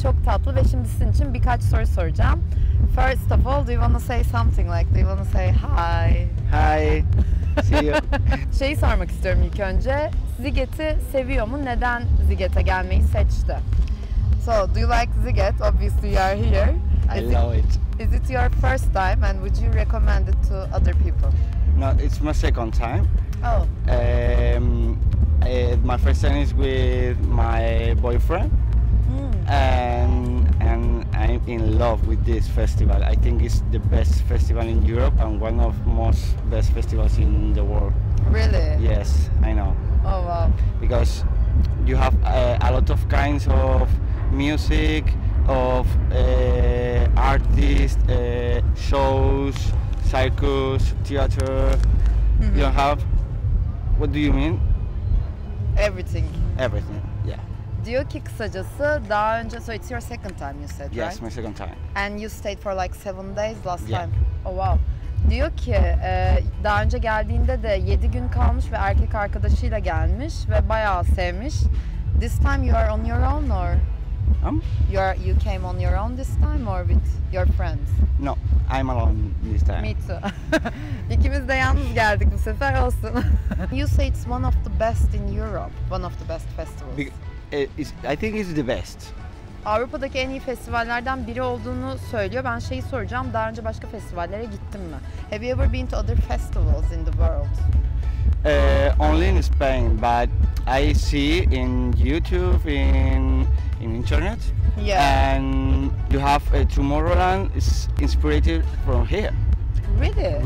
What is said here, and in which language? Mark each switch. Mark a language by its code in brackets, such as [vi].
[tr] Çok tatlı ve şimdi sizin için birkaç soru soracağım. [en] First of all, do you want to say something? Like, do you want to say hi? Hi. See you. [tr] Şeyi sormak istiyorum ilk önce. Sizigate'i seviyor mu? Neden Sizigate'e gelmeyi seçti? [en] So, do you like Sziget? Obviously, you are here. I love it. Is it your first time and would you recommend it to other people? No, it's my second time. Oh. My first time is with my boyfriend. And I'm in love with this festival. I think it's the best festival in Europe and one of most best festivals in the world. Really? Yes, I know. Oh wow. Because you have a lot of kinds of music, of artists, shows, circus, theater. Mm-hmm. You have, what do you mean? Everything. Everything. [tr] Diyor ki kısacası daha önce, [en] so it's your second time you said, yes, right? Yes, my second time. And you stayed for like 7 days last, yeah, time. Oh wow. [tr] Diyor ki daha önce geldiğinde de 7 gün kalmış ve erkek arkadaşıyla gelmiş ve bayağı sevmiş. [en] This time you are on your own or? You came on your own this time or with your friends? No, I'm alone this time. Me too. [tr] İkimiz de yalnız geldik bu sefer, olsun. [en] You say it's one of the best in Europe, one of the best festivals. I think it's the best. [tr] Avrupa'daki en iyi festivallerden biri olduğunu söylüyor. Ben şeyi soracağım, daha önce başka festivallere gittin mi? [en] Have you ever been to other festivals in the world? Only in Spain, but I see in YouTube, in internet. Yeah. And you have Tomorrowland is inspired from here. Really?